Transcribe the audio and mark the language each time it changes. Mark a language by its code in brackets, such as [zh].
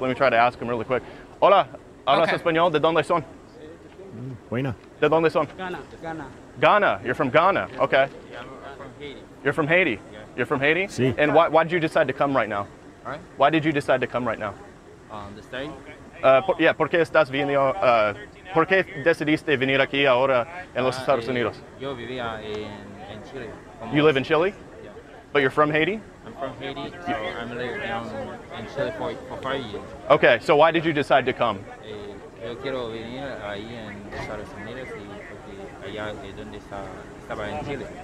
[en] Let me try to ask them really quick. [es] Hola. ¿Hablas español? ¿De dónde son? Buena. ¿De dónde son? [en] Ghana. You're from Ghana. Okay. Yeah, I'm from Haiti. You're from Haiti? Yeah. You're from Haiti? [es] Si. [en] And why did you decide to come right now? All right. Why did you decide to come right now? the state? [es] Porque estás viniendo, porque decidiste venir aquí ahora en los Estados Unidos? Yo vivía en Chile. [en] You live in Chile? Yeah. But you're from Haiti? I'm from Haiti, so I'm living in Chile for 5 years. Okay, so why did you decide to come? [es] Yo quiero venir ahí en Estados Unidos y porque allá es donde estaba en Chile.